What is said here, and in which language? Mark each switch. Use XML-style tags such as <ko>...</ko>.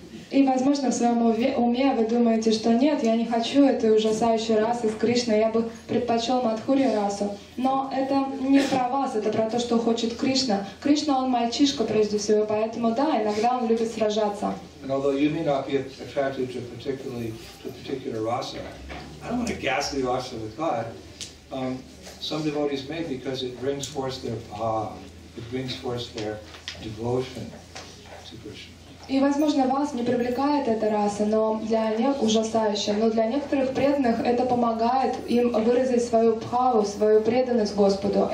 <ru>И возможно в своем уме вы думаете, что нет, я не хочу этой ужасающей расы с Кришной, я бы предпочел Мадхурья расу. Но это не про вас, это про то, что хочет Кришна. Кришна, он мальчишка прежде всего, поэтому да, иногда он любит сражаться.</ru> <en>And although you may not be attracted to particularly to a particular rasa, I don't want a ghastly rasa with God. Some devotees may, because it brings forth their bhava. It brings forth their devotion to Krishna.</en> <ru>И возможно вас не привлекает эта раса, но для них ужасающе. Но для некоторых преданных это помогает им выразить свою бхаву, свою преданность Господу.</ru>